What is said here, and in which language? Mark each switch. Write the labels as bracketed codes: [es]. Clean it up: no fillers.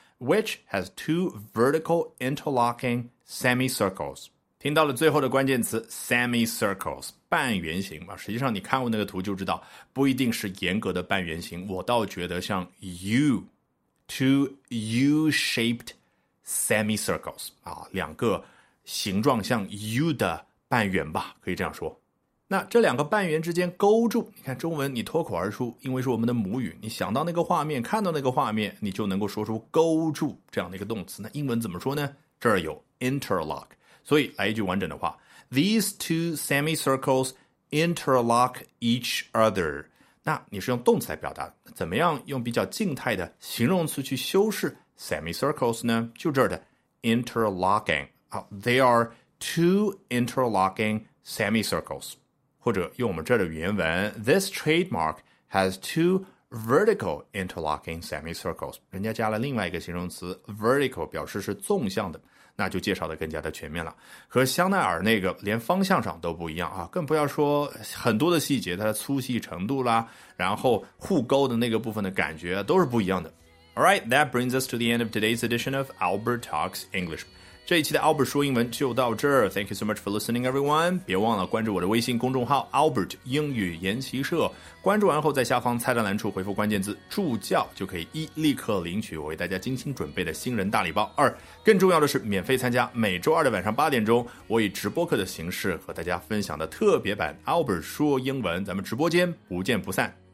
[en] Which has two vertical interlocking semicircles， [zh] 听到了最后的关键词 semicircles，半圆形吧，实际上你看过那个图就知道，不一定是严格的半圆形，我倒觉得像 [en] two U-shaped semicircles [zh] 啊，两个形状像 U 的半圆吧，可以这样说。那这两个半圆之间勾住，你看中文你脱口而出，因为是我们的母语，你想到那个画面，看到那个画面，你就能够说出勾住这样的一个动词。那英文怎么说呢？这儿有 interlock， 所以来一句完整的话。 [en] These two semicircles interlock each other. [zh] 那你是用动词来表达，怎么样用比较静态的形容词去修饰 semicircles 呢？就这儿的 interlocking。 [en] 好， they are two interlocking semicircles. [zh] 或者用我们这儿的原文， [en] This trademark has two vertical interlocking semicircles. [zh] 人家加了另外一个形容词 vertical， 表示是纵向的。那就介绍的更加的全面了，和香奈儿那个连方向上都不一样啊，更不要说很多的细节，它的粗细程度啦，然后互勾的那个部分的感觉都是不一样的。 [en] Alright, that brings us to the end of today's edition of Albert Talks English. [zh] 这一期的 Albert 说英文就到这儿， [en] Thank you so much for listening everyone. [zh] 别忘了关注我的微信公众号 Albert 英语研习社，关注完后在下方菜单栏处回复关键字助教，就可以一立刻领取我为大家精心准备的新人大礼包，二更重要的是免费参加每周二的晚上八点钟我以直播课的形式和大家分享的特别版 Albert 说英文，咱们直播间不见不散。